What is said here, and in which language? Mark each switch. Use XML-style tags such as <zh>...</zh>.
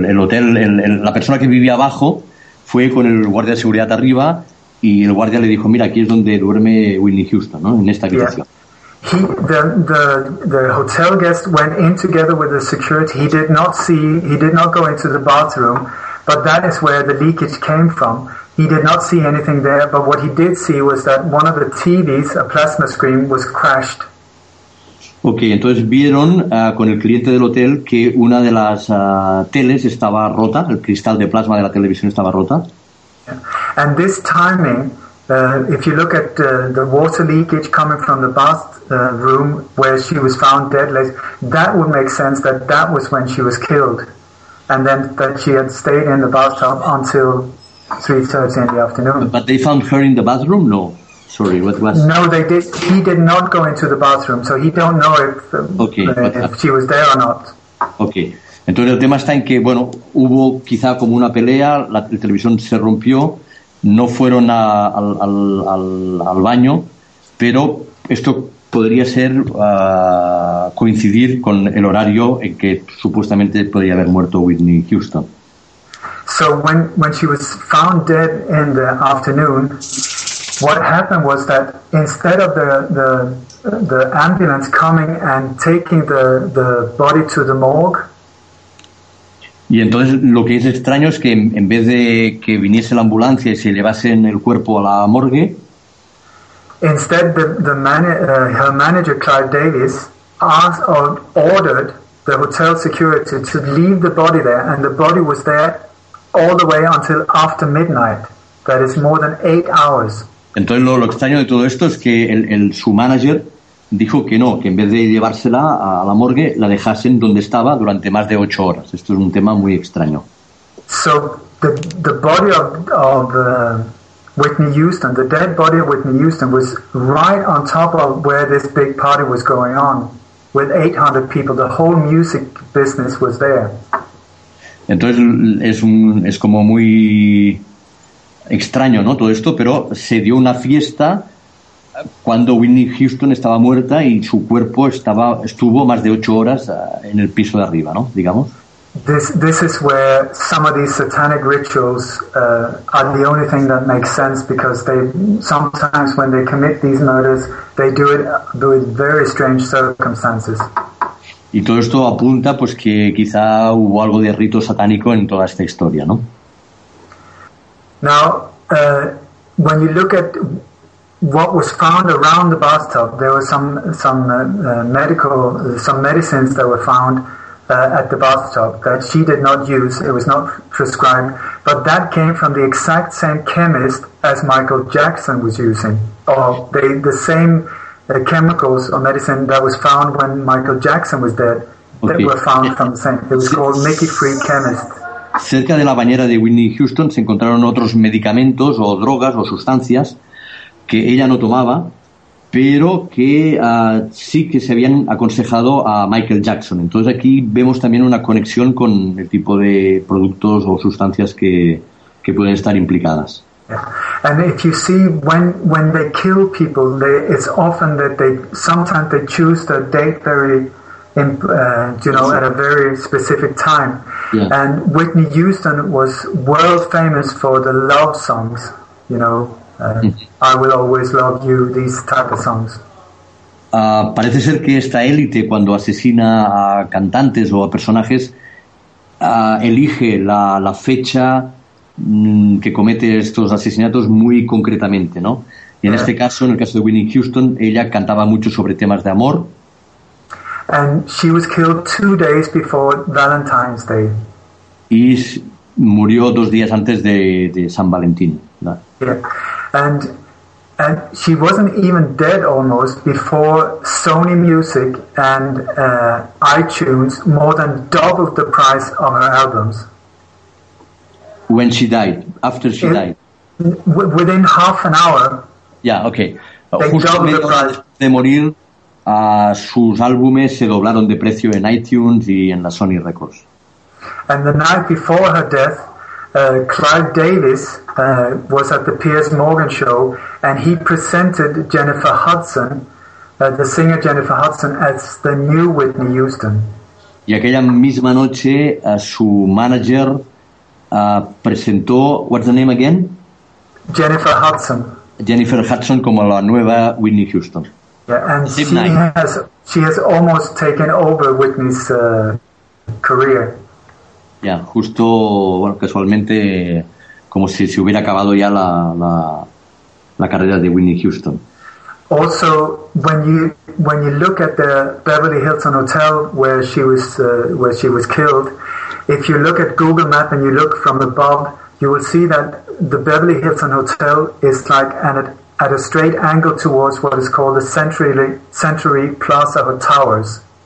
<es>El hotel, la persona que vivía abajo fue con el guardia de seguridad arriba. Y el guardia le dijo, mira, aquí es donde duerme Whitney Houston, ¿no? En esta habitación.</es> <en>Yeah. The hotel guest went in together with the security. He did not go into the bathroom, but that is where the leakage came from. He did not see anything there, but what he did see was that one of the TVs, a plasma screen, was crashed.</en> <es>Okay, entonces vieron con el cliente del hotel que una de las teles estaba rota, el cristal de plasma de la televisión estaba rota.</es> <en>And this timing, if you look at the water leakage coming from the bathroom where she was found dead, like, that would make sense that that was when she was killed, and then that she had stayed in the bathtub until 3:30 in the afternoon. But they found her in the bathroom? No. Sorry, what was... No, they did. He did not go into the bathroom, so he don't know if, if she was there or not. Okay.</en> <es>Entonces el tema está en que, bueno, hubo quizá como una pelea, la televisión se rompió, no fueron al baño, pero esto podría ser coincidir con el horario en que supuestamente podría haber muerto Whitney Houston.</es> <en>So when she was found dead in the afternoon, what happened was that instead of the ambulance coming and taking the body to the morgue.</en> <es>Y entonces lo que es extraño es que en vez de que viniese la ambulancia y se llevasen el cuerpo a la morgue,</es> <en>instead her manager Clive Davis ordered the hotel security to leave the body there, and the body was there all the way until after midnight. That is more than 8 hours.</en> <es>Entonces lo extraño de todo esto es que su manager dijo que no, que en vez de llevársela a la morgue, la dejasen donde estaba durante más de 8 horas. Esto es un tema muy extraño.</es> <en>So, the body of Whitney Houston, the dead body of Whitney Houston, was right on top of where this big party was going on, with 800 people. The whole music business was there.</en> <es>Entonces, es como muy extraño, ¿no?, todo esto, pero se dio una fiesta cuando Whitney Houston estaba muerta y su cuerpo estuvo más de 8 horas en el piso de arriba, ¿no? Digamos.</es> <en>This is where some of these satanic rituals are the only thing that makes sense, because they sometimes when they commit these murders they do it with very strange circumstances.</en> <es>Y todo esto apunta pues que quizá hubo algo de rito satánico en toda esta historia, ¿no?</es> <en>Now, when you look at what was found around the bathtub, there were some medicines that were found at the bathtub that she did not use. It was not prescribed, but that came from the exact same chemist as Michael Jackson was using, or the same chemicals or medicine that was found when Michael Jackson was dead. Okay. That were found from the same. It was called Mickey Free Chemist.</en> <es>Cerca de la bañera de Whitney Houston se encontraron otros medicamentos o drogas o sustancias que ella no tomaba, pero que sí que se habían aconsejado a Michael Jackson. Entonces aquí vemos también una conexión con el tipo de productos o sustancias que pueden estar implicadas.</es> <en>Yeah. And if you see when they kill people, it's often that they choose the date very at a very specific time. Yeah. And Whitney Houston was world famous for the love songs, you know. I will always love you, these type of songs.</en> <es>Parece ser que esta élite, cuando asesina a cantantes o a personajes, elige la fecha que comete estos asesinatos muy concretamente, ¿no? Y en este caso, en el caso de Whitney Houston, ella cantaba mucho sobre temas de amor.</es> <en>And she was killed 2 days before Valentine's Day.</en> <es>Y murió 2 días antes de San Valentín, ¿no?</es> <en>Yeah. And And she wasn't even dead almost before Sony Music and iTunes more than doubled the price of her albums. When she died? After she died? Within half an hour. Yeah, okay.</en> <es>Justamente antes de morir, sus álbumes se doblaron de precio en iTunes y en la Sony Records.</es> <en>And the night before her death, Clive Davis was at the Piers Morgan show, and he presented Jennifer Hudson, the singer Jennifer Hudson, as the new Whitney Houston.</en> <es>Y aquella misma noche, su manager presentó,</es> <en>what's the name again? Jennifer Hudson.</en> <es>Jennifer Hudson como la nueva Whitney Houston.</es> <en>Yeah, and she has almost taken over Whitney's career.</en> <es>Yeah, justo, bueno, casualmente, como si se hubiera acabado ya la carrera de Whitney Houston.</es> <en>Also, when you look at the Beverly Hilton Hotel where she was killed, if you look at Google Map and you look from above, you will see that the Beverly Hilton Hotel is like at a straight angle towards what is called the Century Plaza of Towers.</en>